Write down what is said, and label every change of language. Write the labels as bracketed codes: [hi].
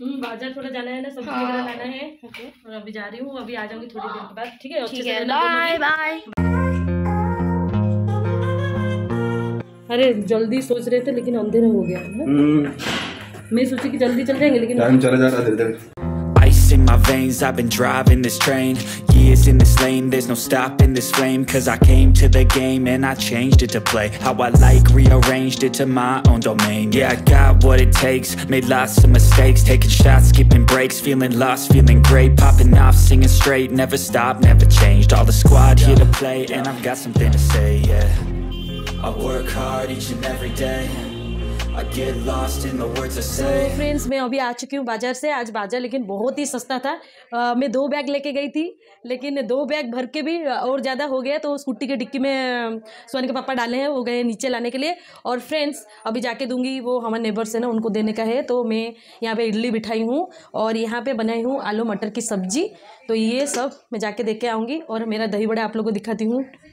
[hi] बाजार थोड़ा जाना है ना, सब्जी वगैरह लाना है। ओके, और अभी जा रही हूँ, अभी आ जाऊंगी थोड़ी देर के बाद। ठीक है, ठीक है, बाय बाय। अरे जल्दी सोच रहे थे लेकिन अंधेरा हो गया ना। मैं सोची कि जल्दी चल जाएंगे लेकिन टाइम चला जा रहा है धीरे धीरे। [en] In my veins, I've been driving this train. Years in this lane, there's no stopping this flame. 'Cause I came to the game and I changed it to play. How I like, rearranged it to my own domain. Yeah, I got what it takes, made lots of mistakes. Taking shots, skipping breaks, feeling lost, feeling great. Popping off, singing straight, never stopped, never changed. All the squad here to play and I've got something to say, yeah. I work hard each and every day. [hi] Friends, मैं अभी आ चुकी हूँ बाजार से। आज बाजार लेकिन बहुत ही सस्ता था, मैं 2 बैग लेके गई थी, लेकिन 2 बैग भर के भी और ज़्यादा हो गया, तो स्कूटी के डिक्की में सोनी के पापा डाले हैं, वो गए नीचे लाने के लिए। और फ्रेंड्स अभी जाके दूंगी, वो हमारे नेबर्स है ना, उनको देने का है। तो मैं यहाँ पे इडली बिठाई हूँ और यहाँ पे बनाई हूँ आलू मटर की सब्जी, तो ये सब मैं जाके देके आऊँगी और मेरा दही बड़े आप लोगों को दिखाती हूँ।